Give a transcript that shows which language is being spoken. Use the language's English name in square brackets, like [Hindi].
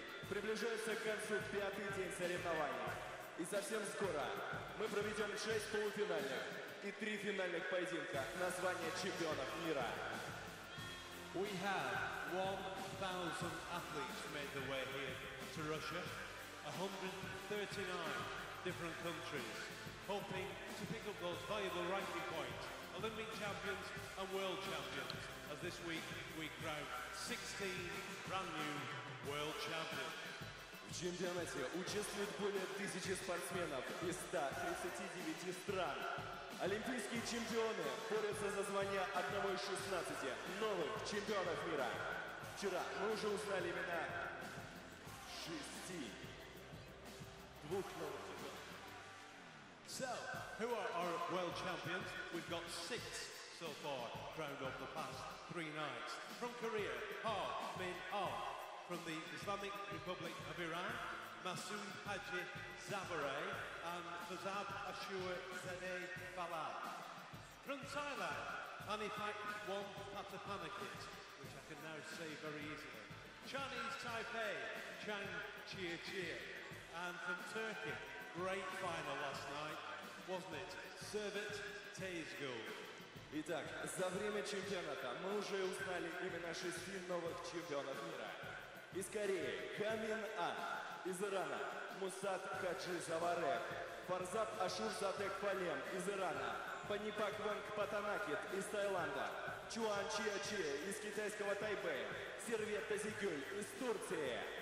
[Russian] Приближается к концу пятый день соревнований. И совсем скоро мы проведем 6 полуфинальных и 3 финальных поединка на звание чемпионов мира. [English] We have 1,000 athletes made their way here to Russia. 139 different countries hoping to pick up those valuable ranking points. Olympic champions and world champions. As this week we crown 16 brand new world champions. [Russian] В чемпионате участвуют более 1000 спортсменов из 139 стран. Олимпийские чемпионы борются за звание одного из 16 новых чемпионов мира. Вчера мы уже узнали имена 6 двух новых чемпионов. [English] So, who are our world champions? We've got 6 so far crowned over the past 3 nights. From Korea, Park Min-ah. From the Islamic Republic of Iran, Masoud Haji Zabaray and Fazab Ashur Zadeh Balad. From Thailand, Hanipak Won Patapanakit, which I can now say very easily. Chinese Taipei, Chang Chia Chia. And from Turkey, great final last night, wasn't it? Servet Tazigul. [Russian] Итак, за время чемпионата мы уже узнали имена 6 новых чемпионов мира. Из Кореи – Камин Ан, из Ирана – Мусад Хаджи Заваре, Фарзаб Ашур Затек Палем из Ирана, Панипак Ванг Патанакит из Таиланда, Чуан Чиа Чиа из китайского Тайбэя, Сервет Тазигюль из Турции.